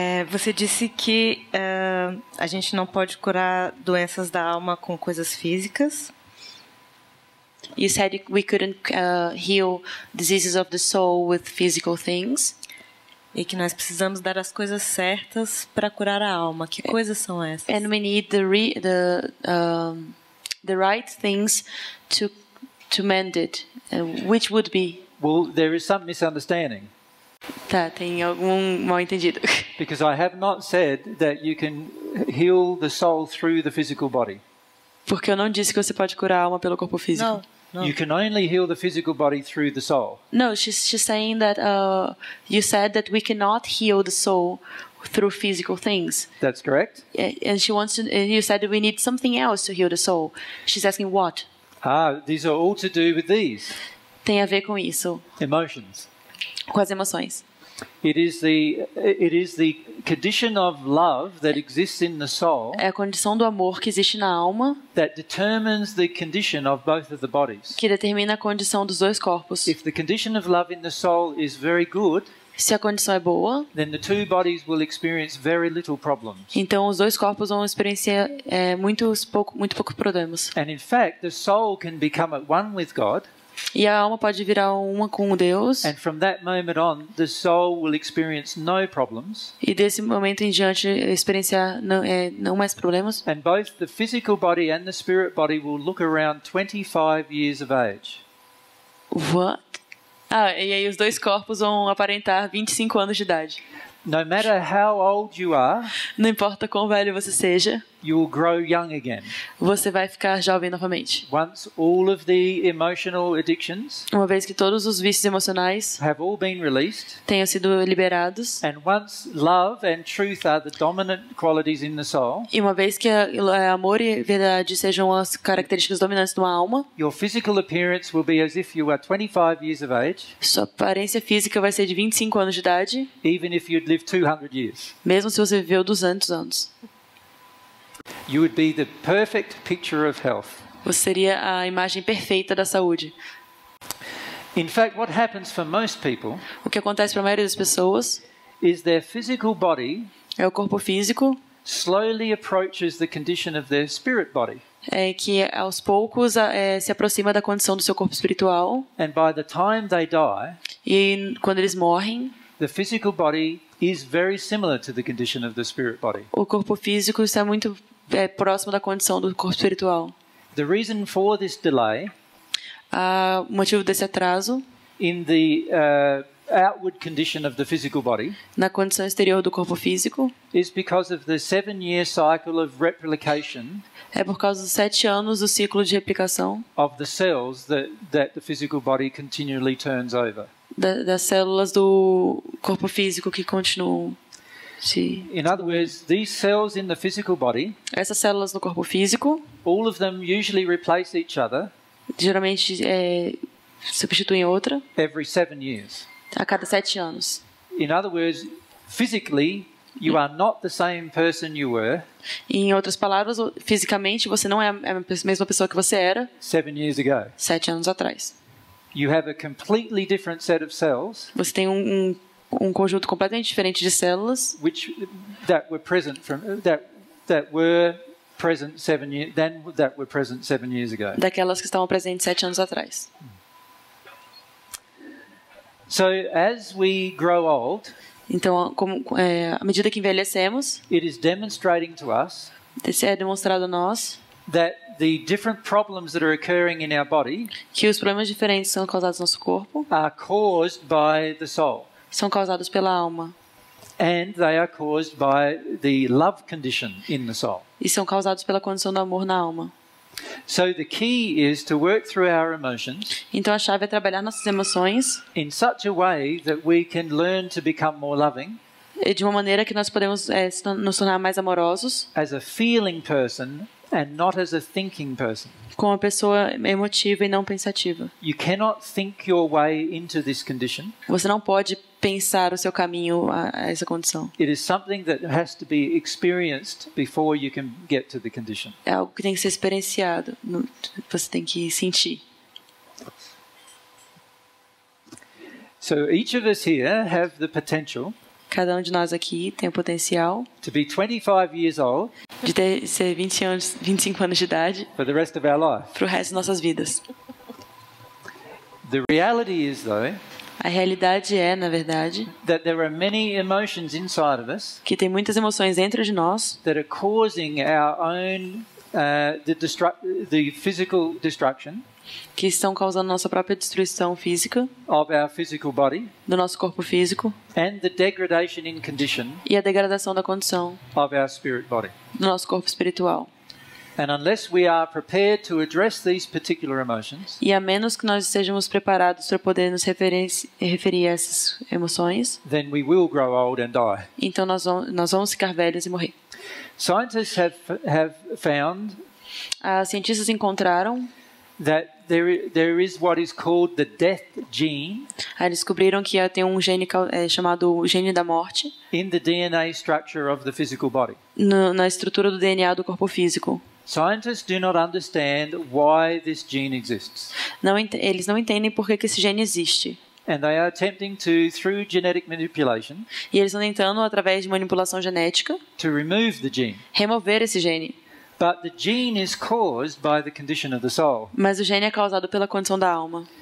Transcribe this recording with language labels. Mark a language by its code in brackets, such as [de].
[pt] Você disse que a gente não pode curar doenças da alma com coisas físicas. [en] You said we couldn't heal diseases of the soul with physical things. [pt] E que nós precisamos dar as coisas certas para curar a alma. Que coisas são essas? [en] And we need the right things to mend it. Which would be? Well, there is some misunderstanding. [pt] Tá, tem algum mal entendido. [en] Because I have not said that you can heal the soul through the physical body. [pt] Porque eu não disse que você pode curar a alma pelo corpo físico. Não. [en] You can only heal the physical body through the soul. No, she's saying that you said that we cannot heal the soul through physical things. That's correct. And she wants to. And you said that we need something else to heal the soul. She's asking what? Ah, these are all to do with these. [pt] Tem a ver com isso. [en] Emotions. [pt] Com as emoções. [en] It is the condition of love that exists in the soul. [pt] É a condição do amor que existe na alma. [en] That determines the condition of both of the bodies. [pt] Que determina a condição dos dois corpos. [en] If the condition of love in the soul is very good, [pt] se a condição é boa, [en] then the two bodies will experience very little problems. [pt] Então os dois corpos vão experienciar muito poucos problemas. [en] And in fact, the soul can become at one with God. [pt] E a alma pode virar uma com Deus. [en] And from that moment on, the soul will experience no problems. [pt] E desse momento em diante, experienciar não mais problemas. [en] And both the physical body and the spirit body will look around 25 years of age. What? [pt] Ah, e aí os dois corpos vão aparentar 25 anos de idade. [en] No matter how old you are, [pt] não importa quão velho você seja, [en] you will grow young again. [pt] Você vai ficar jovem novamente. [en] Once all of the emotional addictions, [pt] uma vez que todos os vícios emocionais [en] have all been released, [pt] tenham sido liberados, [en] and once love and truth are the dominant qualities in the soul, [pt] e uma vez que amor e verdade sejam as características dominantes de uma alma, [en] your physical appearance will be as if you were 25 years of age. [pt] Sua aparência física vai ser de 25 anos de idade. [en] Even if you'd live 200 years. [pt] Mesmo se você viveu 200 anos. [en] You would be the perfect picture of health. [pt] Você seria a imagem perfeita da saúde. [en] In fact, what happens for most people? [pt] O que acontece para a maioria das pessoas? [en] Is their physical body? [pt] É o corpo físico. [en] Slowly approaches the condition of their spirit body. [pt] É que aos poucos se aproxima da condição do seu corpo espiritual. [en] And by the time they die, [pt] e quando eles morrem, [en] the physical body is very similar to the condition of the spirit body. [pt] O corpo físico está muito próximo da condição do corpo espiritual. [en] The reason for this delay, [pt] motivo desse atraso, [en] in the outward condition of the physical body, [pt] na condição exterior do corpo físico, [en] is because of the 7-year cycle of replication, [pt] é por causa dos 7 anos do ciclo de replicação, [en] of the cells that the physical body continually turns over. [pt] Das células do corpo físico que continuam. [en] In other words, these cells in the physical body, [pt] essas células no corpo físico, [en] all of them usually replace each other, [pt] geralmente substituem outra, [en] every 7 years, [pt] a cada 7 anos. [en] In other words, physically, you are not the same person you were. [pt] Em outras palavras, fisicamente você não é a mesma pessoa que você era [en] 7 years ago. [pt] 7 anos atrás. [en] You have a completely different set of cells. [pt] Você tem um conjunto completamente diferente de células, [en] which that were present from that were present 7 years then that were present 7 years ago. [pt] Daquelas que estavam presentes 7 anos atrás. [en] So as we grow old, [pt] então à medida que envelhecemos, [en] it is demonstrating to us, [pt] isso é demonstrado a nós, [en] that the different problems that are occurring in our body, [pt] que os problemas diferentes são causados no nosso corpo, [en] are caused by the soul. [pt] São causados pela alma. [en] And they are caused by the love condition in the soul. [pt] E são causados pela condição do amor na alma. [en] So the key is to work through our emotions. [pt] Então a chave é trabalhar nossas emoções. [en] In such a way that we can learn to become more loving. [pt] E de uma maneira que nós podemos nos tornar mais amorosos. [en] As a feeling person and not as a thinking person. [pt] Como uma pessoa emotiva e não pensativa. [en] You cannot think your way into this condition. [pt] Você não pode pensar o seu caminho a essa condição. [en] It is something that has to be experienced before you can get to the condition. [pt] É algo que tem que ser experienciado. Você tem que sentir. [en] So each of us here have the potential. [pt] Cada um de nós aqui tem o potencial [en] to be 25 years old, [pt] de ter, ser 20 anos, 25 anos de idade para o resto de nossas vidas. [en] The reality is, though, [pt] a realidade é, na verdade, [en] that there are many emotions inside of us, [pt] que tem muitas emoções dentro de nós [en] that are causing our own, the physical destruction, [pt] que estão causando nossa própria destruição física, [en] of our physical body, [pt] do nosso corpo físico, [en] and the degradation in condition, [pt] e a degradação da condição, [en] of our spirit body, [pt] do nosso corpo espiritual. [en] And unless we are prepared to address these particular emotions, [pt] e a menos que nós estejamos preparados para poder nos referir a essas emoções, [en] then we will grow old and die. [pt] Então nós vamos ficar velhos e morrer. [en] Scientists have found, [pt] os cientistas encontraram [en] that there is what is called the death gene. [pt] Aí descobriram que tem um gene chamado gene da morte. [en] In the DNA structure of the physical body. [pt] Na estrutura do DNA do corpo físico. [en] Scientists do not understand why this gene exists. [pt] Eles não entendem por que esse gene existe. [en] And they are attempting to, through genetic manipulation. [pt] E eles estão tentando através de manipulação genética. [en] To remove the gene. [pt] Remover esse gene. [en] But the gene is caused by the condition of the soul. [pt] Mas o gene é causado pela condição da alma.